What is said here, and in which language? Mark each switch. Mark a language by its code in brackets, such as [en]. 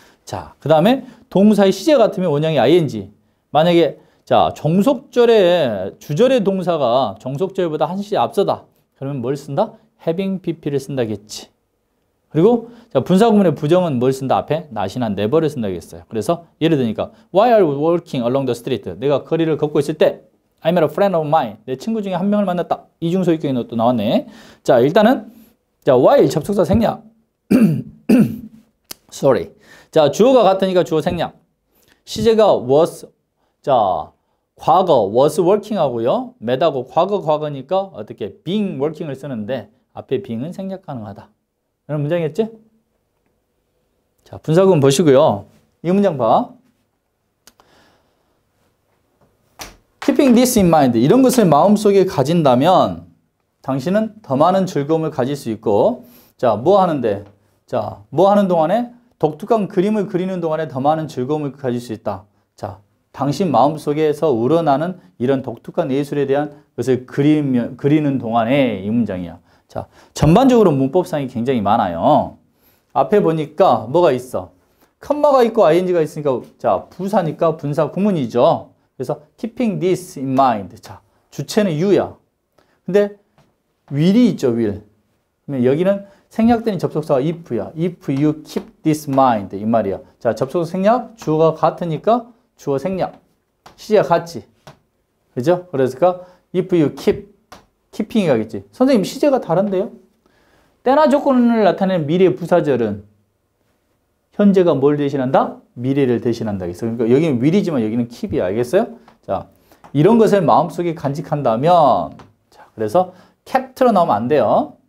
[ko] 자, 그 다음에 동사의 시제 같으면 원형이 ing. 만약에 자 종속절에 주절의 동사가 종속절보다 한 시 앞서다. 그러면 뭘 쓴다? having pp를 쓴다겠지. 그리고 자 분사구문의 부정은 뭘 쓴다? 앞에 not이나 never를 쓴다겠어요. 그래서 예를 들니까 [en] why are you walking along the street? [ko] 내가 거리를 걷고 있을 때 [en] I met a friend of mine. [ko] 내 친구 중에 한 명을 만났다. 이중소유격인 것도 나왔네. 자, 일단은 자, while 접속사 생략. [en] Sorry. [ko] 자, 주어가 같으니까 주어 생략. 시제가 was. 자, 과거 was working 하고요. met하고 과거 과거니까 어떻게 being working을 쓰는데 앞에 being은 생략 가능하다. 이런 문장이었지? 자, 분사구문 보시고요. 이 문장 봐. [en] Keeping this in mind, [ko] 이런 것을 마음속에 가진다면 당신은 더 많은 즐거움을 가질 수 있고 자, 뭐 하는데? 자, 뭐 하는 동안에? 독특한 그림을 그리는 동안에 더 많은 즐거움을 가질 수 있다. 자, 당신 마음속에서 우러나는 이런 독특한 예술에 대한 것을 그리는 동안에 이 문장이야. 자, 전반적으로 문법상이 굉장히 많아요. 앞에 보니까 뭐가 있어? 컴마가 있고 ing가 있으니까 자, 부사니까 분사 구문이죠. 그래서 [en] keeping this in mind. [ko] 자, 주체는 you야. 근데 will이 있죠, will. 그러면 여기는 생략된 접속사가 if야. [en] If you keep this mind. [ko] 이 말이야. 자, 접속사 생략, 주어가 같으니까 주어 생략. 시제가 같지. 그죠? 그러니까 if you keep, keeping이 가겠지. 선생님, 시제가 다른데요? 때나 조건을 나타내는 미래 부사절은 현재가 뭘 대신한다? 미래를 대신한다. 그러니까 여기는 will이지만 여기는 keep이야. 알겠어요? 자, 이런 것을 마음속에 간직한다면, 자, 그래서 kept로 나오면 안 돼요.